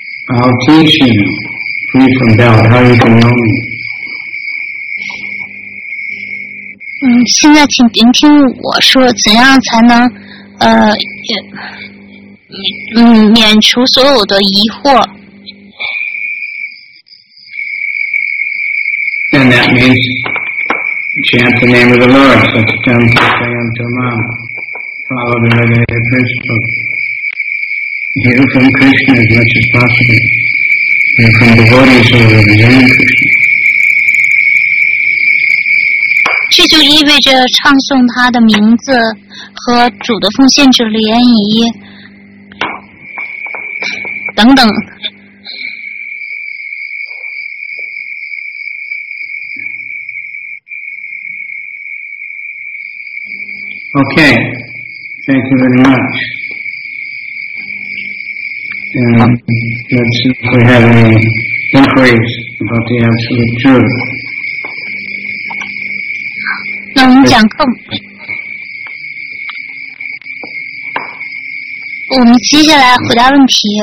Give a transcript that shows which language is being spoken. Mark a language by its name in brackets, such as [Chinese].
[English] I'll teach you free from doubt how you can know me. [Chinese] 现在请聆听我说怎样才能免除所有的疑惑。 [English] And that means chant the name of the Lord, such as Tam Tam Tamam. Follow the regulative principle. Hear from Krishna as much as possible. Hear from devotees who are representing Krishna. [Chinese] 这就意味着唱诵他的名字和主的奉献者联谊等等。 [English] Okay, thank you very much. And let's see if we have any inquiries about the absolute truth. [Chinese] 那我们讲课，我们接下来回答问题。